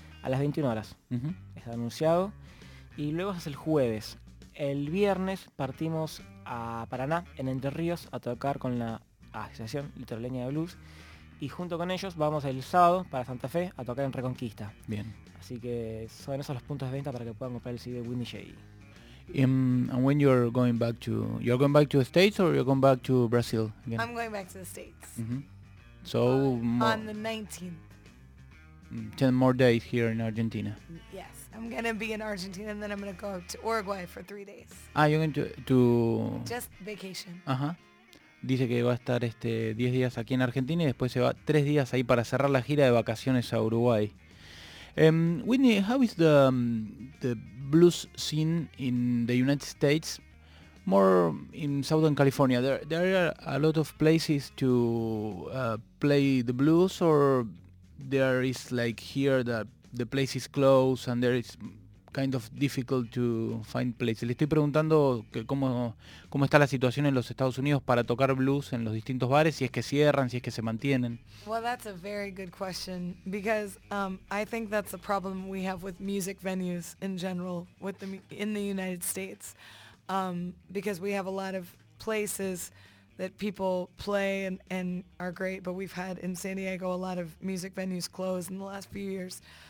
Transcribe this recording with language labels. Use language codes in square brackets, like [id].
[es] A las 21 horas. Uh-huh. Está anunciado. Y luego es el jueves. El viernes partimos a Paraná, en Entre Ríos, a tocar con la Asociación Litoraleña de Blues. Y junto con ellos vamos el sábado para Santa Fe a tocar en Reconquista. Bien. Así que son esos los puntos de venta para que puedan comprar el CD de Whitney Jay. [en] And when you're going back to the States or you're going back to Brazil again? I'm going back to the States. Mm-hmm. So on the 19th. 10 more days here in Argentina. Yes. I'm going to be in Argentina and then I'm going to go to Uruguay for 3 days. Ah, you're going to... Just vacation. Ajá. [es] Dice que va a estar 10 días aquí en Argentina y después se va 3 días ahí para cerrar la gira de vacaciones a Uruguay. [en] Whitney, how is the blues scene in the United States? More in Southern California. There are a lot of places to play the blues, or there is like here that the place is closed and there is kind of difficult to find places. [es] Le estoy preguntando que cómo está la situación en los Estados Unidos para tocar blues en los distintos bares, si es que cierran, si es que se mantienen. [en] Well, that's a very good question because I think that's a problem we have with music venues in general with in the United States because we have a lot of places that people play and are great, but we've had in San Diego a lot of music venues close in the last few years.